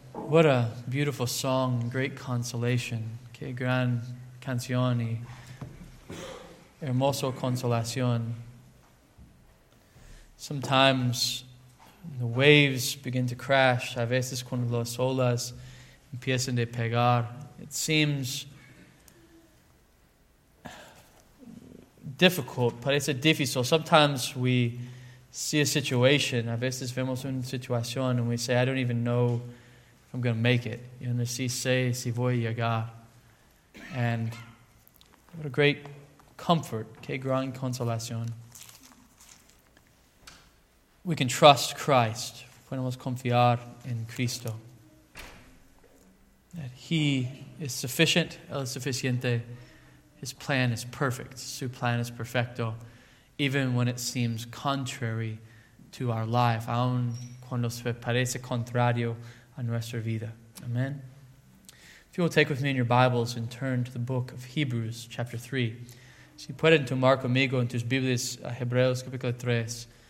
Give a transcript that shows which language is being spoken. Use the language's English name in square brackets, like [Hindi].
[English] What a beautiful song, great consolation. [Spanish] Qué gran canción y hermoso consolación. [English] Sometimes the waves begin to crash, [Spanish] a veces cuando las olas empiezan a pegar. [English] It seems difficult, [Spanish] parece difícil. [English] Sometimes we see a situation, [Spanish] a veces vemos una situación [English] and we say, I don't even know if I'm going to make it. [Spanish] Yo no sé si voy a llegar. [English] And what a great comfort, [Spanish] qué gran consolación. [English] We can trust Christ. [Spanish] Podemos confiar en Cristo. [English] That He is sufficient, [Spanish] Él es suficiente. [English] His plan is perfect. [Spanish] Su plan es perfecto. [English] Even when it seems contrary to our life. [Spanish] Aun cuando se parece contrario a nuestra vida. [English] Amen. If you will take with me in your Bibles and turn to the book of Hebrews, chapter 3. [Spanish] Si pueden tomar conmigo en tus Biblias, Hebreos, capítulo 3.